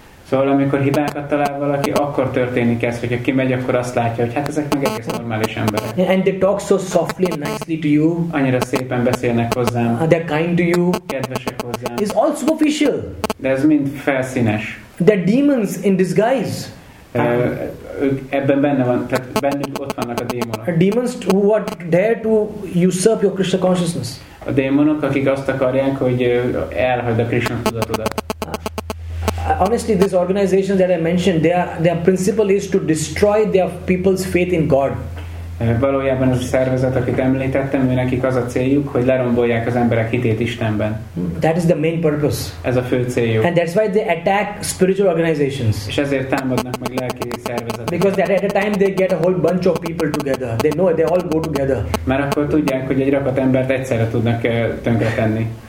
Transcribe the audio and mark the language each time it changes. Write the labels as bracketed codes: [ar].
[hu] Szóval amikor hibákat talál valaki, akkor történik ez, hogy aki megy, akkor azt látja, hogy hát ezek meg egész normális emberek. [en] Yeah, and they talk so softly and nicely to you. [hu] Annyira szépen beszélnek hozzám. [en] They're kind to you. [hu] Kedvesek hozzám. [en] It's all superficial. [hu] De ez mind felszínes. [en] They're demons in disguise. [hu] Ők ebben benne van, tehát bennük ott vannak a démonok. [en] Demons who are there to usurp your Krishna consciousness. [hu] A démonok, akik azt akarják, hogy elhagyd a Krishna tudatodat. [en] Honestly, these organizations that I mentioned, their principle is to destroy their people's faith in God. [hu] Valójában ez a szervezet, akit említettem, ő nekik az a céljuk, hogy lerombolják az emberek hitét Istenben. [en] That is the main purpose. [hu] Ez a fő céljuk. [en] And that's why they attack spiritual organizations. [hu] És ezért támadnak meg lelki szervezetet. [en] Because at a time they get a whole bunch of people together. They know they all go together. [hu] Mert akkor tudják, hogy egy rakat embert egyszerre tudnak tönkretenni.